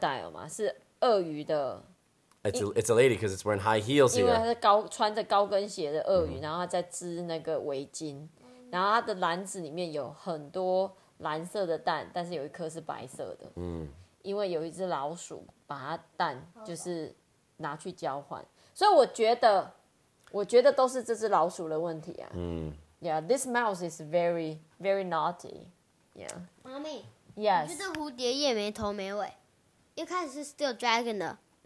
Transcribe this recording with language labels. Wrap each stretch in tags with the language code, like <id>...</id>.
<zh>最后这个蝴蝶叶他们还是看不到。反正最后呢是一个，这应该是crocodile嘛，是鳄鱼的。</zh> <en>It's a lady because it's wearing high heels here.</en> <zh>因为她是穿着高跟鞋的鳄鱼， 然后她在织那个围巾， 然后她的篮子里面有很多蓝色的蛋， 但是有一颗是白色的， 因为有一只老鼠把它蛋就是拿去交换。所以我觉得都是这只老鼠的问题啊。</zh> <en>Yeah, this mouse is very, very naughty. Yeah. Mommy. Yes.</en> <zh>你觉得蝴蝶叶没头没尾， 一开始是</zh> <en>still dragon</en> <zh>的。</zh>